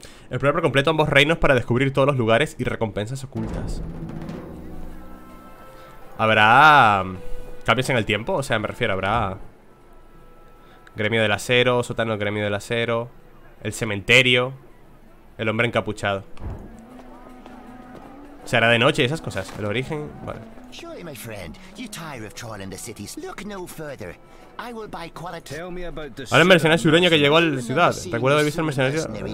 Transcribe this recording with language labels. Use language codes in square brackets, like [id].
[es] Explorar por completo ambos reinos para descubrir todos los lugares y recompensas ocultas. Habrá cambios en el tiempo, o sea, me refiero, habrá gremio del acero, sótano del gremio del acero, el cementerio, el hombre encapuchado. Será de noche y esas cosas. El origen, vale. [en] Surely, my friend, you tire of trawling the cities. Look no further. I will buy quality. Tell me about the. [es] Ahora el mercenario sureño que llegó a la ciudad. ¿Te acuerdas de visto al mercenario?